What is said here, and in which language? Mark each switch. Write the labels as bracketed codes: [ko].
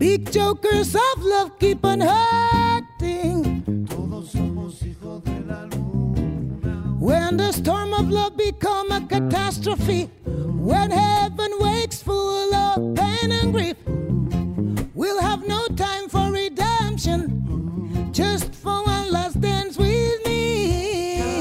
[en] Jokers of love keep on hurting. [es] Todos somos hijos de la luna. [en] When the storm of love become a catastrophe, when heaven wakes full of pain and grief, we'll have no time for redemption, just for one last dance with me.